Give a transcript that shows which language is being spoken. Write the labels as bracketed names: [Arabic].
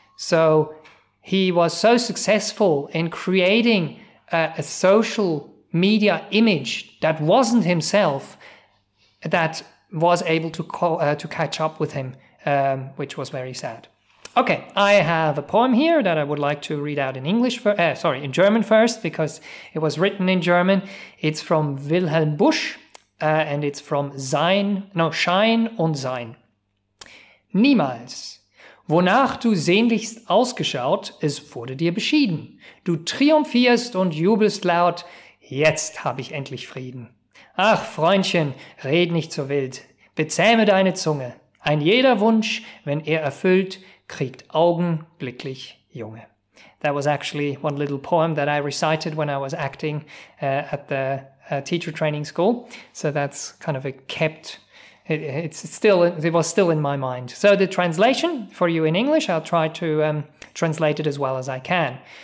[English] So he was so successful in creating a social media image that wasn't himself that was able to catch up with him, which was very sad. Okay, I have a poem here that I would like to read out in English in German first, because it was written in German. It's from Wilhelm Busch, and it's from Schein und Sein. [German] Niemals. Wonach du sehnlichst ausgeschaut, es wurde dir beschieden. Du triumphierst und jubelst laut, jetzt hab ich endlich Frieden. Ach, Freundchen, red nicht so wild, bezähme deine Zunge. Ein jeder Wunsch, wenn erfüllt, kriegt augenblicklich Junge. [English] That was actually one little poem that I recited when I was acting at the teacher training school. So that's kind of a kept... It was still in my mind. So the translation for you in English, I'll try to translate it as well as I can.